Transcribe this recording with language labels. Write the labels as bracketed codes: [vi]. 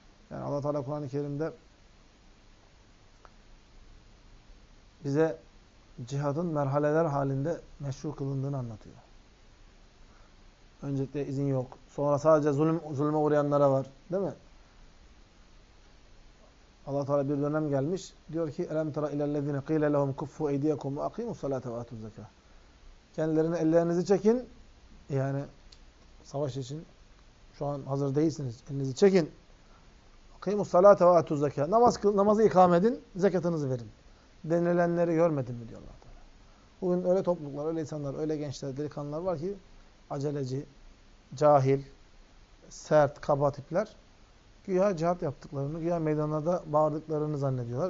[tr] Yani Allah Teala Kur'an-ı Kerim'de bize cihadın merhaleler halinde meşru kılındığını anlatıyor. Öncelikle izin yok. Sonra sadece zulme uğrayanlara var. Değil mi? Allah Teala bir dönem gelmiş. Diyor ki [ar] اَلَمْ تَرَا اِلَى الَّذِينَ قِيلَ لَهُمْ كُفُّ اَيْدِيَكُمْ وَاَقِيمُ الصَّلَاةَ وَاَتُوا الزَّكَاةَ. [tr] Kendilerine ellerinizi çekin. Yani savaş için şu an hazır değilsiniz. Elinizi çekin. [ar] اَقِيمُ الصَّلَاةَ وَاَتُوا الزَّكَاةَ. [tr] Namazı ikam edin. Zekatınızı verin. Denilenleri görmedin mi diyorlar. Bugün öyle topluluklar, öyle insanlar, öyle gençler, delikanlılar var ki aceleci, cahil, sert, kaba tipler güya cihat yaptıklarını, güya meydanlarda bağırdıklarını zannediyorlar.